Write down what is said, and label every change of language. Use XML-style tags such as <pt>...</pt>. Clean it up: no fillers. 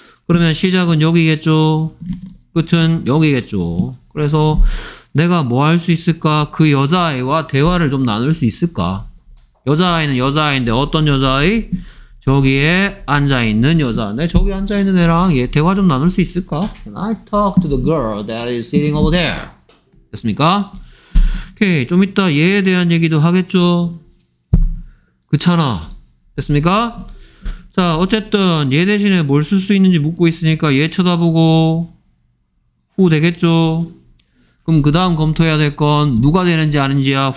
<ko>그러면 시작은 여기겠죠. 끝은 여기겠죠. 그래서 내가 뭐 할 수 있을까? 그 여자아이와 대화를 좀 나눌 수 있을까? 여자아이는 여자아이인데 어떤 여자아이? 저기에 앉아있는 여자. 네, 저기 앉아있는 애랑 얘 대화 좀 나눌 수 있을까?</ko> <en>Can I talk to the girl that is sitting over there?</en> <ko>됐습니까? 오케이, 좀 이따 얘에 대한 얘기도 하겠죠? 그찮아. 됐습니까? 자, 어쨌든 얘 대신에 뭘 쓸 수 있는지 묻고 있으니까 얘 쳐다보고 후 되겠죠? 그럼 그 다음 검토해야 될 건 누가 되는지 아닌지야.</ko>